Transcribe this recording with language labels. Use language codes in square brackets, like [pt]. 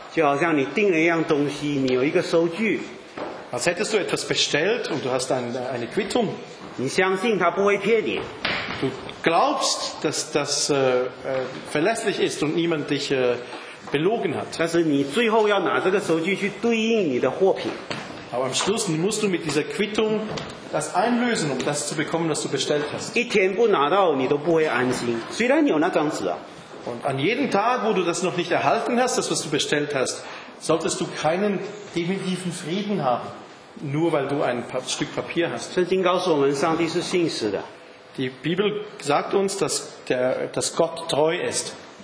[de] Als hättest du etwas bestellt und du hast eine Quittung. [zh] 你相信他不会骗你。 [de] Du glaubst, dass das verlässlich ist und niemand dich belogen hat. [zh] 但是你最后要拿这个收据去对应你的货品。 [de] Aber am Schluss musst du mit dieser Quittung das einlösen, um das zu bekommen, was du bestellt hast. [zh] 一天不拿到你都不会安心，虽然你有那张纸啊。 [de] Und an jedem Tag, wo du das noch nicht erhalten hast, das, was du bestellt hast, solltest du keinen definitiven Frieden haben. Nur weil du ein Stück Papier hast. Die Bibel sagt uns, dass Gott treu ist.